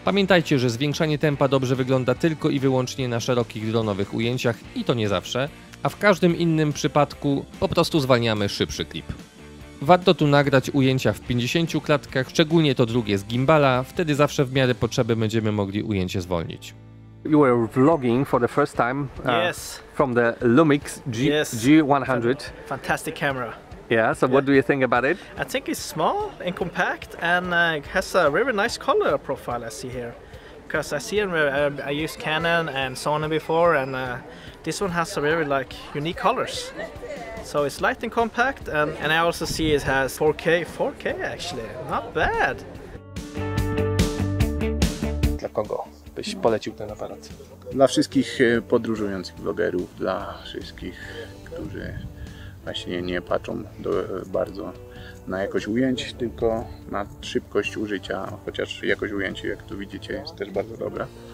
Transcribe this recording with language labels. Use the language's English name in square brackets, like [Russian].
[Polish] Pamiętajcie, że zwiększanie tempa dobrze wygląda tylko i wyłącznie na szerokich dronowych ujęciach i to nie zawsze, a w każdym innym przypadku po prostu zwalniamy szybszy klip. Warto tu nagrać ujęcia w 50 klatkach, szczególnie to drugie z gimbala, wtedy zawsze w miarę potrzeby będziemy mogli ujęcie zwolnić. [English] You were vlogging for the first time from the Lumix G100. Fantastic camera. Yeah, so what do you think about it? I think it's small and compact and has a really nice color profile I see here. Because I see I used Canon and Sony before and this one has a really like unique colors. So it's light and compact and I also see it has 4K. 4K actually, not bad. [Polish] Dla kogo byś polecił ten aparat? Dla wszystkich podróżujących vlogerów, dla wszystkich, którzy właśnie nie patrzą bardzo na jakość ujęć, tylko na szybkość użycia, chociaż jakość ujęć, jak tu widzicie, jest też bardzo dobra.